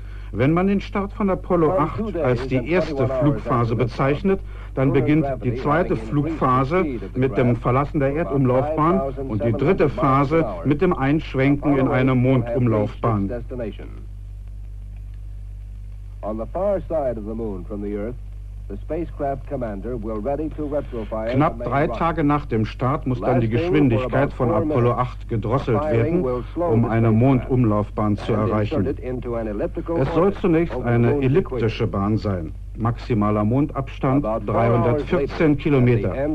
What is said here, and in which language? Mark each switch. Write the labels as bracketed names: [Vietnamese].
[German] Wenn man den Start von Apollo 8 als die erste Flugphase bezeichnet, dann beginnt die zweite Flugphase mit dem Verlassen der Erdumlaufbahn und die dritte Phase mit dem Einschwenken in eine Mondumlaufbahn. [English] On the far side of the moon from the Earth, the spacecraft commander will ready to retrofire. [German] Knapp 3 Tage nach dem Start muss dann die Geschwindigkeit von Apollo 8 gedrosselt werden, um eine Mondumlaufbahn zu erreichen. Es soll zunächst eine elliptische Bahn sein. Maximaler Mondabstand 314 Kilometer.